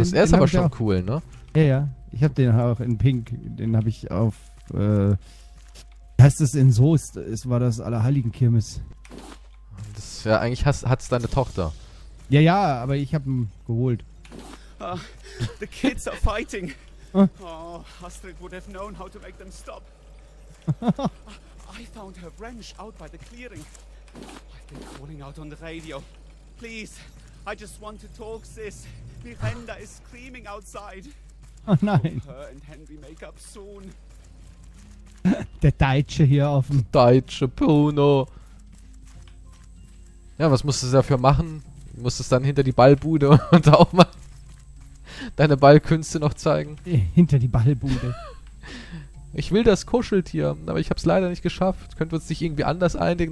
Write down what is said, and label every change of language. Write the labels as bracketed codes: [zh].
[de] Ja, er ist aber schon cool, ne? Ja, ja. Ich hab den auch in Pink. Den hab ich auf. Heißt es in Soest, es war das Allerheiligen-Kirmes. Das, ja, eigentlich hat's deine Tochter. Ja, ja, aber ich hab ihn geholt. [en] The kids are fighting. Oh, Astrid would have known how to make them stop. I found her wrench out by the clearing. I've been calling out on the radio. Please, I just want to talk, sis. Miranda is screaming outside. [de] Oh nein. [en] Her and Henry make up soon. [de] Der Deutsche hier auf dem... Deutsche Bruno. Ja, was musstest du dafür machen? Musstest du dann hinter die Ballbude und auch mal deine Ballkünste noch zeigen? Hinter die Ballbude. Ich will das Kuscheltier, aber ich hab's leider nicht geschafft. Könnten wir uns nicht irgendwie anders einigen?